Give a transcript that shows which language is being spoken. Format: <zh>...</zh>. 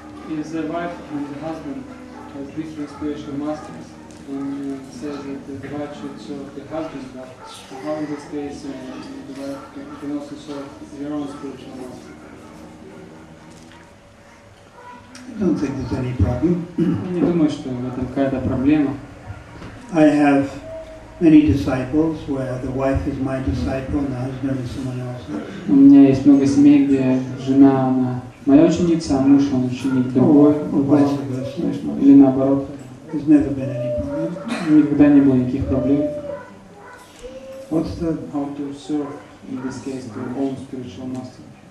<en>Is the wife and the husband has different spiritual masters, and says that the wife should serve the husband, but how in this case the wife can also serve your own spiritual master? I don't think there's any problem.</en> <ru>Не думаю, что в этом какая-то проблема.</ru> <en>I have many disciples where the wife is my disciple and the husband is someone else.</en> <ru>У меня есть много семей, где жена она моя ученица, а муж он ученик другой. Или наоборот.</ru> <en>There's never been any problem.</en> <ru>Никогда не было никаких проблем.</ru> <en>What's the how to serve in this case the own spiritual master?</en>